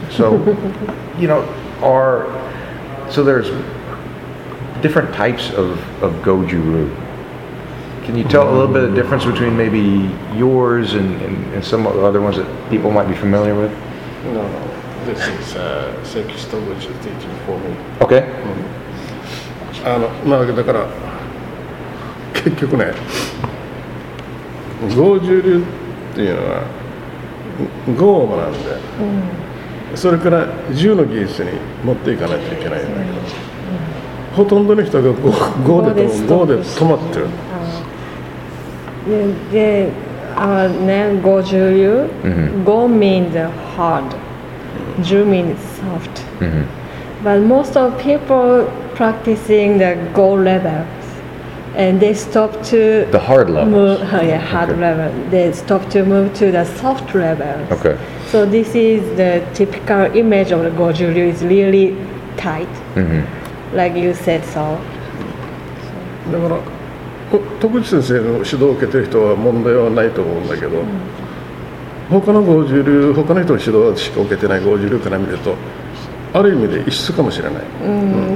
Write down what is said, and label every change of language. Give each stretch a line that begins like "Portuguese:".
English: So there's different types of Goju Ryu. Can you tell a little bit of the difference between maybe yours and some of the other ones that people might be familiar with? No. This is Seki Stoguchi is teaching for me. Okay. Mm-hmm.
Japanese: だから結局ね、五十流っていうのは五をなんで、それから十の技術に持っていかないといけないんだけど、ほとんどの人が五で止まってる。で、ね、五十流、五
English: means hard. Ju means soft, but most of people practicing the Go levels, and they stop to the hard levels. Level. They stop to move to the soft levels. Okay. So this is the typical image of the Goju Ryu. It's really tight, like you said. So.
Japanese: だから、徳地先生の指導を受けてる人は問題はないと思うんだけど。他の五十流、他の人の指導しか受けてない五十流から見ると、ある意味で異質かもしれない。